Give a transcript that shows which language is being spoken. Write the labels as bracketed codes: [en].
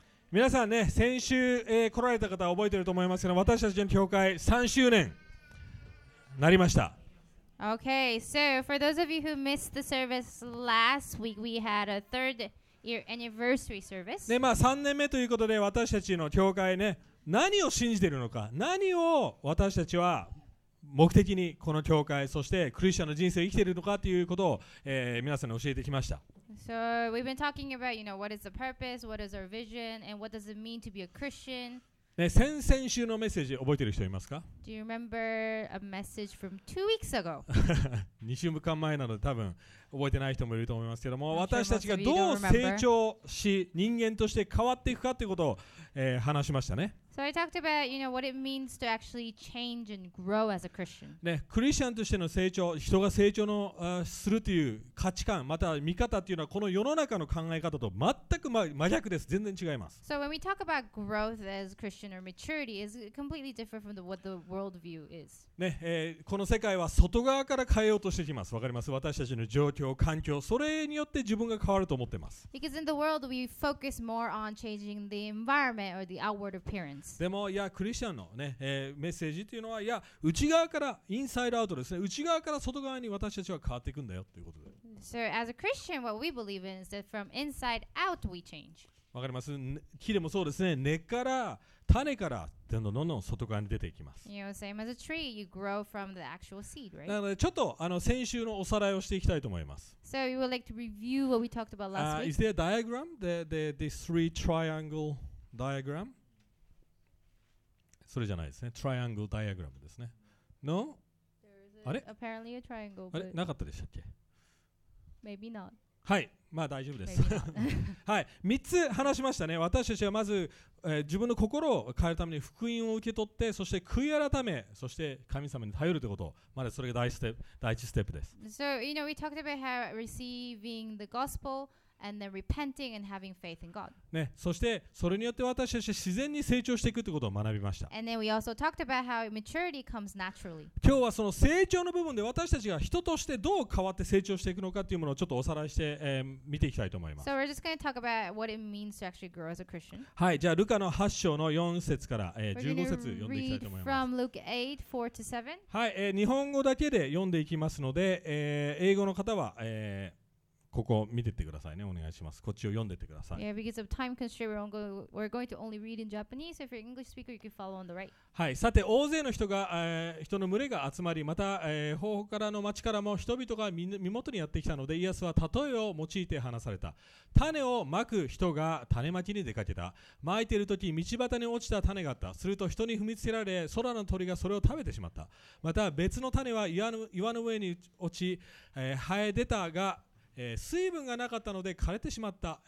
[ja] 皆さんね、先週、来られた方は覚えてると思いますけど、私たちの教会3周年なりました。 [en] Okay, so for those of you who missed the service last week, we had a third year anniversary service. [ja] で、まあ3年目ということで、私たちの教会ね、何を信じているのか、何を私たちは目的にこの教会、そしてクリスチャンの人生を生きているのかということを、皆さんに教えてきました。 [en] So we've been talking about, you know, what is the purpose, what is our vision, and what does it mean to be a Christian. [ja] ね、先々週のメッセージ覚えてる人いますか? [en] Do you remember a message from 2 weeks ago? [ja] 2週間前なので多分覚えてない人もいると思いますけども、私たちがどう成長し、人間として変わっていくかということを、話しましたね。 [en] So I talked about, you know, what it means to actually change and grow as a Christian. [ja] ね、クリスチャンとしての成長、人が成長の、するという価値観、または見方というのは、この世の中の考え方と全く真逆です。全然違います。 [en] So when we talk about growth as Christian or maturity, it's completely different from what the world view is. [ja] ね、この世界は外側から変えようとしてきます。わかります? 私たちの状況、環境、それによって自分が変わると思ってます。 [en] Because in the world, we focus more on changing the environment or the outward appearance. [ja] でも、いや、クリスチャンの、ね、メッセージというのは、いや、内側から、インサイドアウトですね、内側から外側に私たちは変わっていくんだよということで。 [en] So, as a Christian, what we believe in is that from inside out we change. [ja] わかります? 木でもそうですね、根から、種から、どんどんどんどん外側に出ていきます。 [en] You know, same as a tree, you grow from the actual seed, right? [ja] なので、ちょっと先週のおさらいをしていきたいと思います。 [en] So, we would like to review what we talked about last week. Is there a diagram? This three triangle diagram? [ja] それじゃないですね。トライアングルダイアグラムですね。 [en] No? A, あれ apparently a triangle, [ja] あれなかったでしたっけ [en] Maybe not. [ja] はい。まあ大丈夫です。はい。3つ話しましたね。私たちはまず、自分の心を変えるために福音を受け取って、そして悔い改め、そして神様に頼るということ。まだそれが第一ステップです。 [en] So, you know, we talked about how receiving the gospel. And then repenting and having faith in God. [ja] ね、そしてそれによって私たちは自然に成長していくということを学びました。 [en] And then we also talked about how maturity comes naturally. [ja] 今日はその成長の部分で私たちが人としてどう変わって成長していくのかというものをちょっとおさらいして、見ていきたいと思います。 [en] So we're just going to talk about what it means to actually grow as a Christian. [ja] はい、じゃあルカの8章の4節から、15節読んでいきたいと思います。 [en] We're going to read from Luke 8, 4 to 7. [ja] はい、日本語だけで読んでいきますので、英語の方は、ここを見てってくださいね。お願いします。こっちを読んでってください。 [en] Yeah, because of time constraint, we're going to only read in Japanese. If you're English speaker, you can follow on the right. [ja] はい。さて、大勢の人が、人の群れが集まり、また、方々からの町からも人々が身元にやってきたので、イエスは例えを用いて話された。種をまく人が種まきに出かけた。まいているとき、道端に落ちた種があった。すると人に踏みつけられ、空の鳥がそれを食べてしまった。また、別の種は岩の上に落ち、生え出たが、水分がなかったので枯れてしまった。